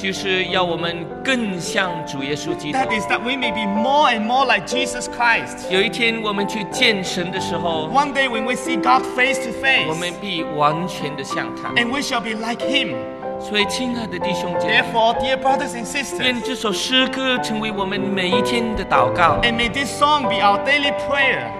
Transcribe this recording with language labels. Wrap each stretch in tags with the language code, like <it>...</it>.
<zh>就是要我们更像主耶稣基督。</zh> <en>That is that we may be more and more like Jesus Christ。</en> <zh>有一天我们去见神的时候</zh> <en>，One day when we see God face to face，</en> <zh>我们必完全的像他</zh> <en>，And we shall be like Him。</en> <zh>所以，亲爱的弟兄姐妹</zh> <en>，Therefore, dear brothers and sisters，</en> <zh>愿这首诗歌成为我们每一天的祷告</zh> <en>，And may this song be our daily prayer。</en>